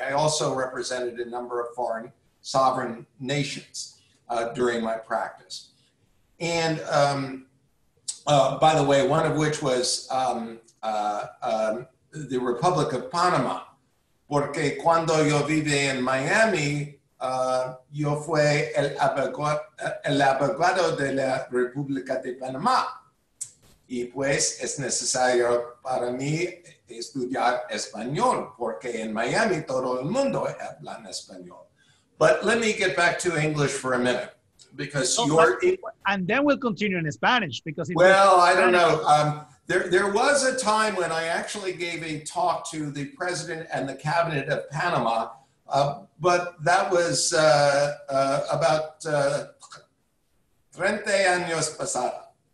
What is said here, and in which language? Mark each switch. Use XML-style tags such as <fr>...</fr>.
<en>I also represented a number of foreign sovereign nations during my practice. And by the way, one of which was the Republic of Panama.</en> <es>Porque cuando yo vive en Miami, yo fui el abogado de la República de Panamá. Y pues es necesario para mí estudiar español, porque en Miami todo el mundo habla español.</es> <en>But let me get back to English for a minute, because And then we'll continue in Spanish, because I don't know. There was a time when I actually gave a talk to the president and the cabinet of Panama, but that was about 30</en> <es>años pasada.</es>